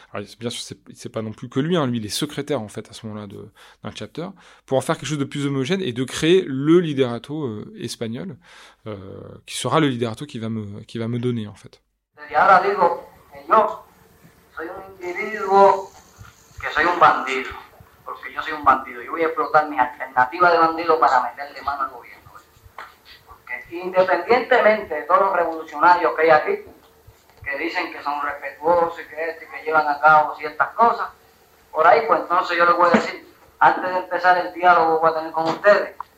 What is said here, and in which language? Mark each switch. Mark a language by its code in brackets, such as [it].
[fr] Alors, bien sûr, c'est pas non plus que lui. Hein. Lui, il est secrétaire, en fait, à ce moment-là, d'un chapter. Pour en faire quelque chose de plus homogène et de créer le Liderato espagnol qui sera le Liderato qui va me donner, en fait. Et maintenant, je dis que je suis un individu que je suis un bandit. [es] Porque yo soy un bandido, yo voy a explotar mis alternativas de bandido para meterle mano al gobierno. Porque independientemente de todos los revolucionarios que hay aquí, que dicen que son respetuosos y que llevan a cabo ciertas cosas, por ahí, pues entonces yo les voy a decir, antes de empezar el diálogo que voy a tener con ustedes,